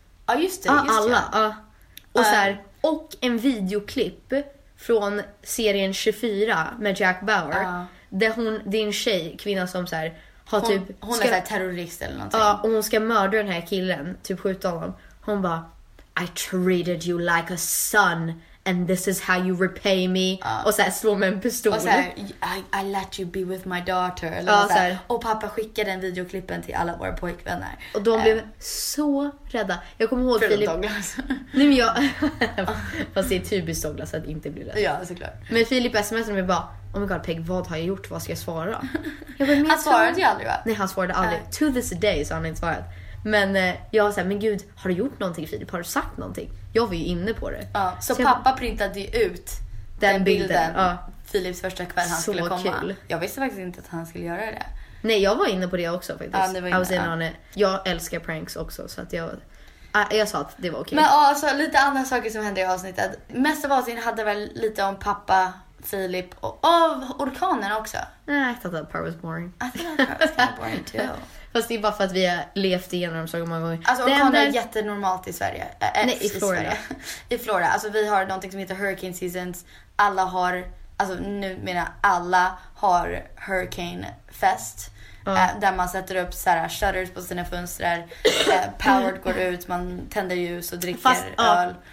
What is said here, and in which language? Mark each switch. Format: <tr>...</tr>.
<sv>Ja, just det. Ja, just alla. Ja. Och så här, och en videoklipp från serien 24 med Jack Bauer. Ja. Där hon, det är en tjej, kvinna som så här, har hon, typ, hon ska, är så här terrorist eller någonting. Ja, och hon ska mörda den här killen, typ skjuta honom. Hon bara,</sv> <en>I treated you like a son, and this is how you repay me.</en> <sv>Och så här, slår med en pistol. Och så här,</sv> <en>I let you be with my daughter.</en> <sv>Eller så här. Och pappa skickade den videoklippen till alla våra pojkvänner. Och de blev så rädda. Jag kommer ihåg Filip Douglas. Nej, men jag fast det är typiskt Douglas att inte bli rädd. Ja, såklart. Men Filip smsade mig bara,</sv> <en>oh my god,</en> <sv>Peg, vad har jag gjort? Vad ska jag svara? Han svarade ju aldrig, va? Nej, han svarade aldrig.</sv> <en>To this day</en> <sv>så har han inte svarat. Men jag var såhär, men gud, har du gjort någonting, Filip? Har du sagt någonting? Jag var ju inne på det. Ja, så pappa printade ju ut den bilden. Ja. Filips första kväll han så skulle komma. Kul. Jag visste faktiskt inte att han skulle göra det. Nej, jag var inne på det också faktiskt. Ja, ni var inne.</sv> <en>I was in on it.</en> <sv>Jag älskar pranks också, så att jag sa att det var okej. Men alltså, lite andra saker som hände i avsnittet. Mest av avsnittet hade väl lite om pappa, Filip och orkanen också. Nej,</sv> <en>I thought that part was boring. I thought that part was kind of boring too.</en> <sv>Fast det är bara för att vi har levt igenom så många gånger. Alltså orkaner är jättenormalt i Sverige. Nej, i Florida. I Florida. Alltså vi har någonting som heter hurricane seasons. Alla har, alltså nu menar alla har hurricane fest. Där man sätter upp så här shutters på sina fönster. Power går ut, man tänder ljus och dricker fast, öl.</sv>